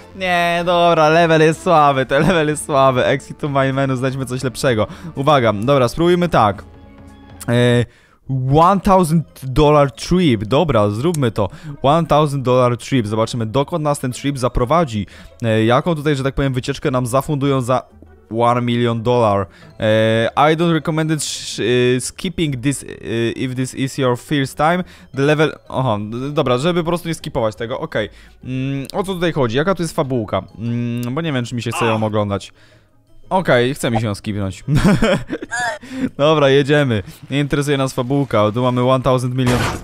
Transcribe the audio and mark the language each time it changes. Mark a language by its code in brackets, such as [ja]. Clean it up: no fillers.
[pl] Nie, dobra, level jest słaby. [en] Exit to my menu, [pl] znajdźmy coś lepszego. Uwaga, dobra, spróbujmy tak. $1000 trip, dobra, zróbmy to. $1000 trip, zobaczymy, dokąd nas ten trip zaprowadzi. Jaką tutaj, że tak powiem, wycieczkę nam zafundują za... [en] $1,000,000. I don't recommend it skipping this if this is your first time. The level... [pl] Aha, dobra, żeby po prostu nie skipować tego, okej. O co tutaj chodzi? Jaka tu jest fabułka? Bo nie wiem, czy mi się chce ją oglądać. Okej, chce mi się ją skipnąć. Dobra, jedziemy. Nie interesuje nas fabułka, tu mamy 1000 million.